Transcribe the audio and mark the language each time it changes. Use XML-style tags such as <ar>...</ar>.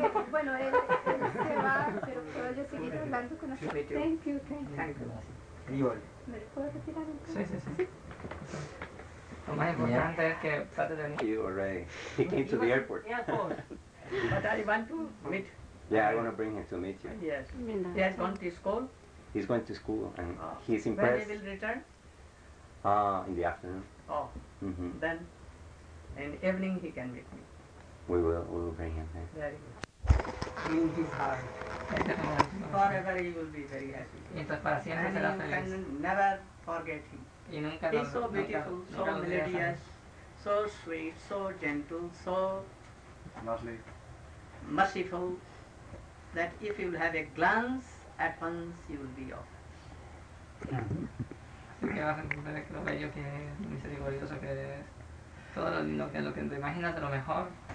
<es>Bueno, él se va, pero puedo yo seguir hablando con él.</es> <en>Thank you, thank you. Thank you.</en> <es>¿Me puedo retirar Sí. Lo más importante es que trate de venir.</es> <en>You already. He came to the airport. Yeah, but I want to meet. Yeah, I want to bring him to meet you. Yes. He has gone to school. He's going to school and he's impressed. When he will return? In the afternoon. Oh, mm-hmm. Then in the evening he can meet me. We will bring him here. Very good. In his heart. Forever he will be very happy.</en> <es>Entonces para siempre será feliz.</es> <en>And you can never forget him.</en> <es>Y nunca</es> <en>he's so beautiful,</en> <es>nunca,</es> <en>so</en> <es>nunca</es> <en>melodious, so sweet, so gentle, so lovely, merciful, that if you will have a glance at once, you will be off.</en> <es>Que vas a entender lo bello que es, lo misericordioso que es, todo lo lindo que es, lo que te imaginas de lo mejor.</es>